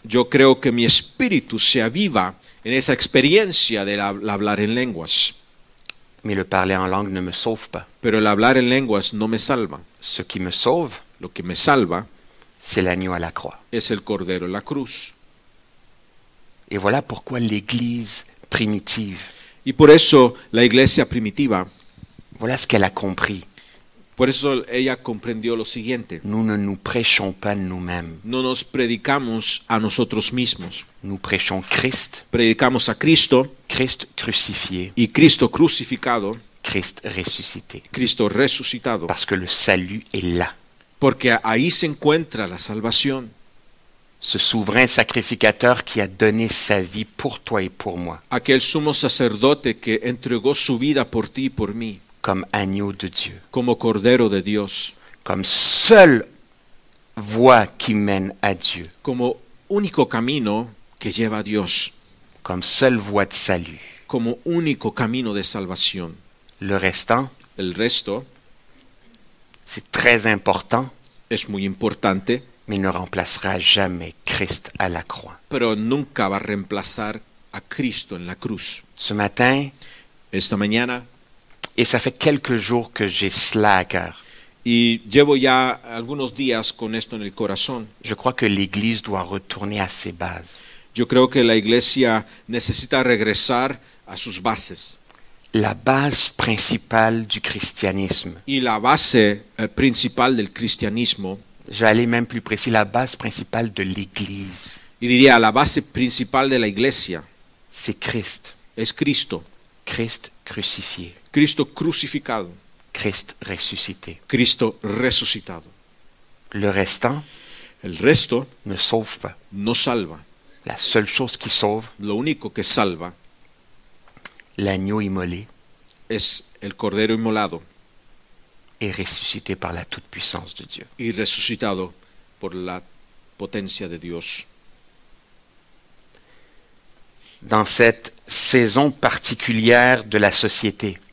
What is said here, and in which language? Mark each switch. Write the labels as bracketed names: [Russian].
[Spanish] Yo creo que mi espíritu se aviva en esa experiencia de hablar en lenguas. [French] Mais le parler en langue ne me sauve pas. [Spanish] Pero el hablar en lenguas no me salva. [French] Ce qui me sauve, [Spanish] lo que me salva, [French] c'est l'agneau à la croix. [Spanish] Es el cordero en la cruz. [French] Et voilà pourquoi l'église primitive. [Spanish] Y por eso la iglesia primitiva. [French] Voilà ce qu'elle a compris. [Spanish] Por eso ella comprendió lo siguiente. [French] Nous ne nous prêchons pas nous-mêmes. [Spanish] No nos predicamos a nosotros mismos. [French] Nous prêchons Christ. [Spanish] Predicamos a Cristo. [French] Christ crucifié. [Spanish] Y Cristo crucificado. [French] Christ ressuscité. [Spanish] Cristo resucitado. [French] Parce que le salut est là. [Spanish] Porque ahí se encuentra la salvación. [French] ce souverain sacrificateur qui a donné sa vie pour toi et pour moi. [Spanish] Aquel sumo sacerdote que entregó su vida por ti y por mí. [French] Comme agneau de Dieu. [Spanish] Como cordero de Dios. [French] Comme seule voie qui mène à Dieu. [Spanish] Como único camino que lleva a Dios. [French] Comme seule voie de salut. [Spanish] Como único camino de salvación. [French] Le restant. [Spanish] El resto. [French] C'est très important. [Spanish] Es muy importante. [French] Mais ne remplacera jamais Christ à la croix. [Spanish] Pero nunca va a reemplazar a Cristo en la cruz. [French] Ce matin, [Spanish] esta mañana, [French] et ça fait quelques jours que j'ai cela à cœur. [Spanish] Y llevo ya algunos días con esto en el corazón. [French] Je crois que l'Église doit retourner à ses bases. [Spanish] Yo creo que la iglesia necesita regresar a sus bases. [French] La base principale du christianisme. [Spanish] Y la base principal del cristianismo. [French] J'allais même plus précis, la base principale de l'Église. [Spanish] Y diría la base principal de la iglesia. [French] C'est Christ. [Spanish] Es Cristo. [French] Christ crucifié. [Spanish] Cristo crucificado. [French] Christ ressuscité. [Spanish] Cristo resucitado. [French] Le restant. [Spanish] El resto. [French] Ne sauve pas. [Spanish] No salva. [French] La seule chose qui sauve. [Spanish] Lo único que salva. [French] L'agneau immolé. [Spanish] Es el cordero inmolado. [French] Et ressuscité par la toute-puissance de Dieu. [Spanish] Y resucitado por la potencia de Dios. [French] Dans cette saison particulière de la société.